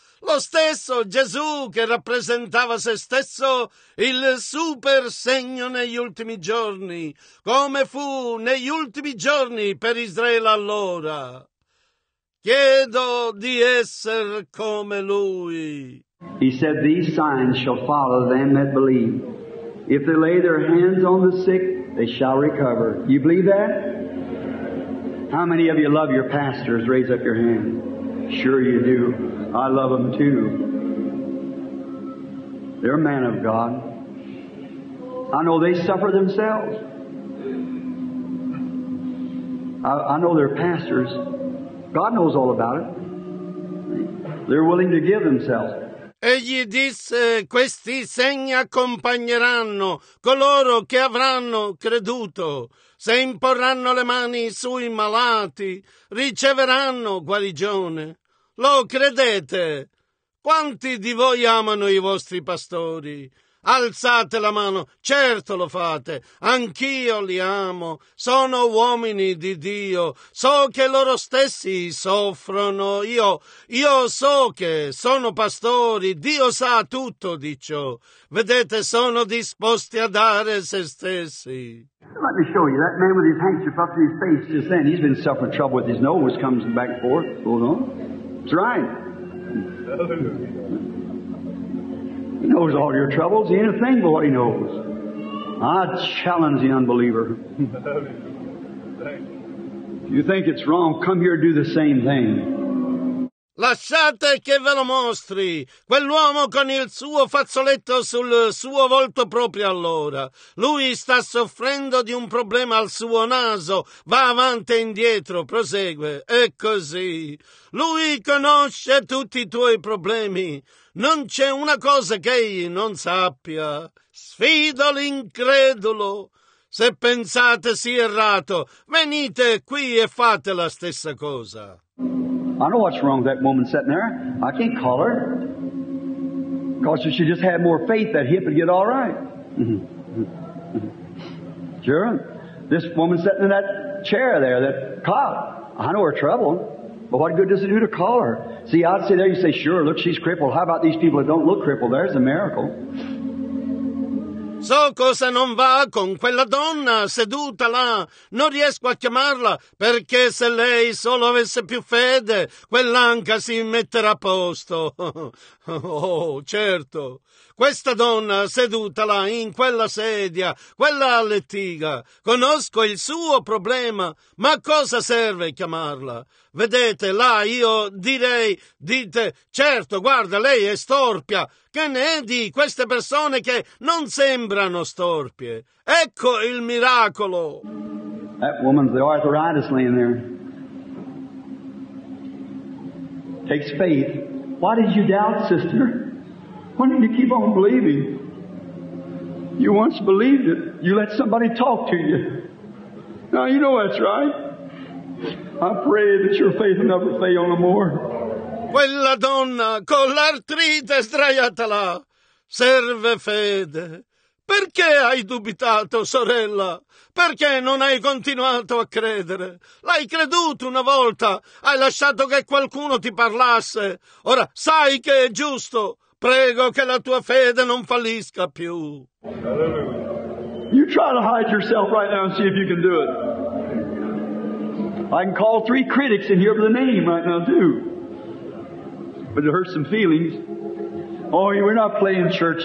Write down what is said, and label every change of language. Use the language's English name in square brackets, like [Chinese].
[Italian] Lo stesso Gesù che rappresentava se stesso il super segno negli ultimi giorni, come fu negli ultimi giorni per Israele allora. Chiedo di essere come lui. [English] He said, these signs shall follow them that believe. If they lay their hands on the sick, they shall recover. You believe that? How many of you love your pastors? Raise up your hand. Sure you do. I love them too. They're men of God. I know they suffer themselves. I know they're pastors. God knows all about it. They're willing to give themselves. [Italian] Egli disse, questi segni accompagneranno coloro che avranno creduto. Se imporranno le mani sui malati, riceveranno guarigione. Lo credete? Quanti di voi amano i vostri pastori? Alzate la mano. Certo lo fate. Anch'io li amo. Sono uomini di Dio. So che loro stessi soffrono. Io so che sono pastori. Dio sa tutto di ciò. Vedete, sono disposti a dare se stessi. [English] Let me show you. That man with his handkerchief up to his face just then, he's been suffering trouble with his nose, comes back and forth. Hold on. That's right. He knows all your troubles. He ain't a thing but what he knows. I challenge the unbeliever. If you think it's wrong, come here and do the same thing. [Italian] Lasciate che ve lo mostri. Quell'uomo con il suo fazzoletto sul suo volto proprio allora. Lui sta soffrendo di un problema al suo naso. Va avanti e indietro, prosegue. È così. Lui conosce tutti i tuoi problemi. Non c'è una cosa che egli non sappia. Sfido l'incredulo. Se pensate sia errato, venite qui e fate la stessa cosa. [English] I know what's wrong with that woman sitting there. I can't call her. Because if she just had more faith, that hip would get all right. Sure. This woman sitting in that chair there, that cot, I know her trouble. But what good does it do to call her? See, I'd say there, you say, sure, look, she's crippled. How about these people that don't look crippled? There's a miracle. [Italian] So cosa non va con quella donna seduta là. Non riesco a chiamarla perché se lei solo avesse più fede, quell'anca si metterà a posto. Oh, certo. Questa donna seduta là in quella sedia, quella lettiga, conosco il suo problema, ma a cosa serve chiamarla? Vedete, là io direi, dite, certo, guarda, lei è storpia. Che ne è di queste persone che non sembrano storpie? Ecco il miracolo! [English] That woman's the arthritis laying there. Takes faith. Why did you doubt, sister? Why didn't you keep on believing? You once believed it. You let somebody talk to you. Now you know that's right. I pray that your faith will never fail no more. [Italian] Quella donna con l'artrite sdraiata là, serve fede. Perché hai dubitato, sorella? Perché non hai continuato a credere? L'hai creduto una volta, hai lasciato che qualcuno ti parlasse. Ora sai che è giusto. Prego che la tua fede non fallisca più. [English] You try to hide yourself right now and see if you can do it. I can call three critics and hear the name right now too. But it hurts some feelings. Oh, we're not playing church.